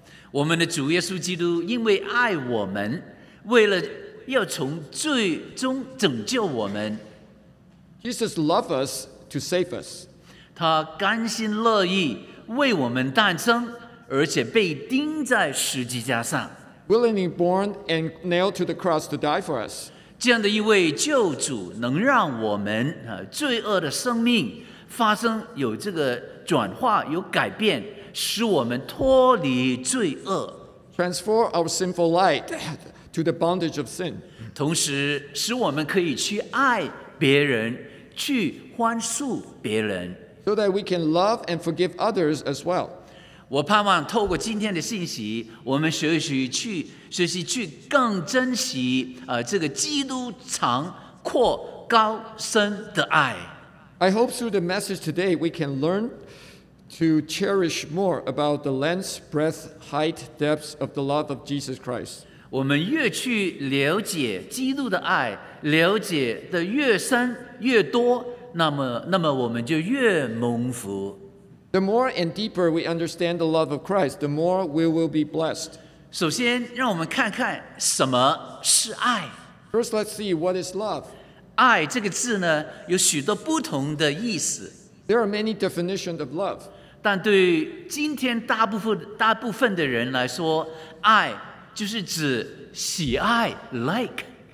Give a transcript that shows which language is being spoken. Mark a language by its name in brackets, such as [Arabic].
[Chinese] 我们的主耶稣基督因为爱我们，为了要从罪中拯救我们。 [English] Jesus loved us to save us. [Chinese] 他甘心乐意为我们诞生，而且被钉在十字架上。 [English] Willingly born and nailed to the cross to die for us. [Chinese] 这样的一位救主能让我们罪恶的生命发生有这个转化有改变使我们脱离罪恶 [English] Transform our sinful life to the bondage of sin [Chinese] 同时使我们可以去爱别人去宽恕别人 [English] So that we can love and forgive others as well [Chinese] 我盼望透过今天的信息我们学习去更珍惜这个基督长阔高深的爱。 [English] I hope through the message today we can learn to cherish more about the length, breadth, height, depth of the love of Jesus Christ. [Chinese] 我们越去了解基督的爱，了解的越深越多，那么我们就越蒙福。 [English] The more and deeper we understand the love of Christ, the more we will be blessed. [Chinese] 首先让我们看看什么是爱。 [English] First, let's see what is love. [Chinese] 爱这个字呢有许多不同的意思。 [English] There are many definitions of love. [Chinese] 但对今天大部分的人来说爱就是指喜爱 like.